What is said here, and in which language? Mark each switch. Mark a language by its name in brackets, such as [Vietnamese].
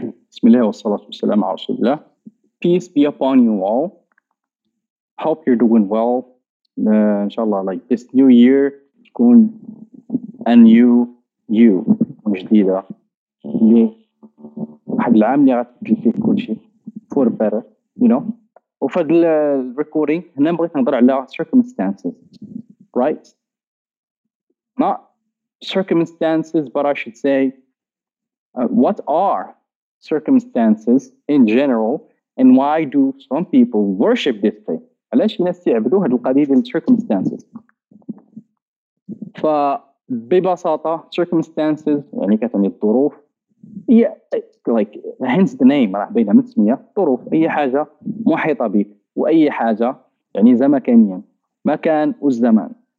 [Arabic] بسم الله والصلاة والسلام على رسول الله. [English] Peace be upon you all. Hope you're doing well. [Arabic] إن شاء الله [English] like this new year [Arabic] تكون [English] a new you [Arabic] جديدة. لي واحد العام اللي غتبدل فيه كل شيء [English] for better, you know. [Arabic] وفهاد الريكوردينغ هنا بغيت نهضر على circumstances, right? [English] Not circumstances, but I should say what are circumstances in general and why do some people worship this thing? [Arabic] علاش الناس يعبدوا هاد القضيه ديال circumstances؟ فببساطه circumstances يعني كتعني الظروف, هي [English] like hence the name, [Arabic] راه باينه من التسميه, ظروف اي حاجه محيطه بك واي حاجه يعني زمكانيا مكان والزمان.